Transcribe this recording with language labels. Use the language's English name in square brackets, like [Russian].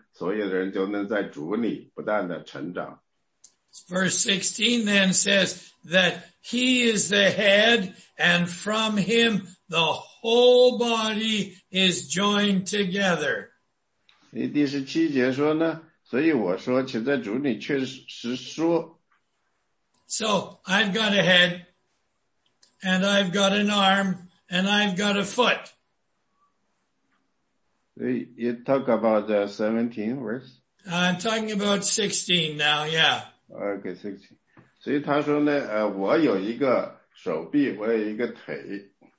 [Chinese] 所以这里呢，对我们所有的谈话的交谈中间的一个指导。当我们所有的人一起交谈的时候，我们都要爱心说诚实的话，这样我们互相所有的人就能在主里不断的成长。 [English] Verse 16 then says that he is the head, and from him the whole body is joined together. [Chinese] 第17节说呢，所以我说，且在主里确实说。 [English] So I've got a head, and I've got an arm, and I've got a foot. You talk about the 17 verse? I'm talking about 16 now, yeah. Okay, 16. [Chinese] 所以他说呢，我有一个手臂，我有一个腿。